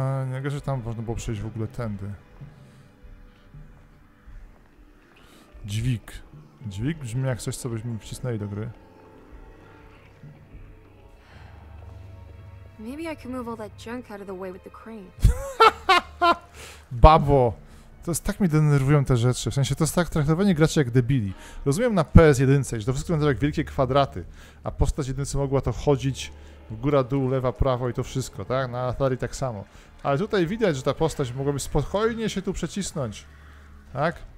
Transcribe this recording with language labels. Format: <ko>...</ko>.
<pl>Nie wiem, że tam można było przejść w ogóle tędy. Dźwig. Dźwig brzmi jak coś, co byśmy wcisnęli do gry.</pl> <en>Maybe I can move all that junk out of the way with the crane.</en> <pl>Babo! To jest tak mi denerwują te rzeczy. W sensie to jest tak traktowanie graczy jak debili. Rozumiem na PS1, że to wszystko będą jak wielkie kwadraty, a postać jedynce mogła to chodzić w góra, dół, lewa, prawo i to wszystko, tak? Na Atari tak samo. Ale tutaj widać, że ta postać mogłaby spokojnie się tu przecisnąć. Tak?</pl>